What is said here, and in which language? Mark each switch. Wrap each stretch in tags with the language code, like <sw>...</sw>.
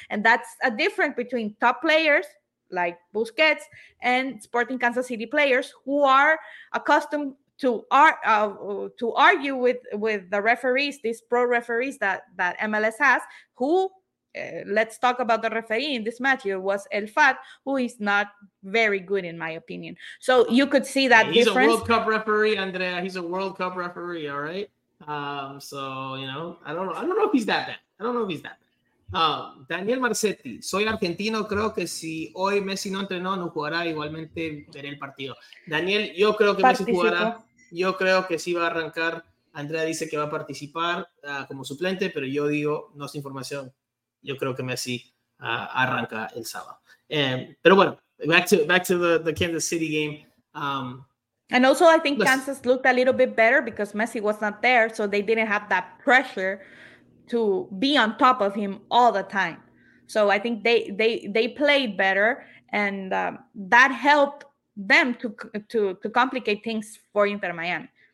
<en>And that's a difference between top players like Busquets and Sporting Kansas City players who are accustomed to argue with the referees, these pro referees that MLS has, who, let's talk about the referee in this match, it was El Fat, who is not very good in my opinion. So you could see that he's difference. He's a World Cup referee, Andrea. He's a World Cup referee, all right? So, you know, I don't know if he's that bad.</en> <es>Daniel Marcetti, soy argentino, creo que si hoy Messi no entrenó, no jugará, igualmente veré el partido. Daniel, yo creo que Messi jugará, yo creo que sí va a arrancar. Andrea dice que va a participar como suplente, pero yo digo, no es información, yo creo que Messi arranca el sábado. Pero bueno,</es> <en>back to the Kansas City game. And also I think Kansas looked a little bit better because Messi was not there, so they didn't have that pressure to be on top of him all the time. So I think they played better, and that helped them to complicate things for Inter Miami.</en>